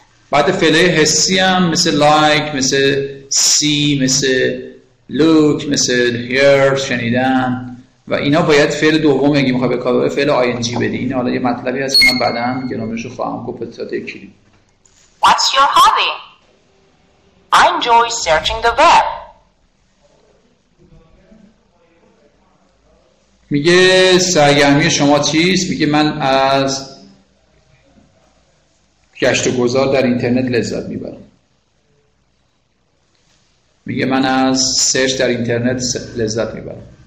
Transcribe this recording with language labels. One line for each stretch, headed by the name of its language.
Persian: بعد فعله حسی هم مثل like، مثل see، مثل look، مثل hear، شنیدن و اینا باید فعل دوم اگه میخواد به کار ببره فعل ing بده. این حالا یه مطلبی هست که من بعداً گرامرش رو خواهم گفت. تا دیگه.
English: What's your hobby? I enjoy searching the web.
Persian: میگه سرگرمی شما چیست؟ میگه من از گشت و گذار در اینترنت لذت میبرم. میگه من از سرچ در اینترنت لذت میبرم.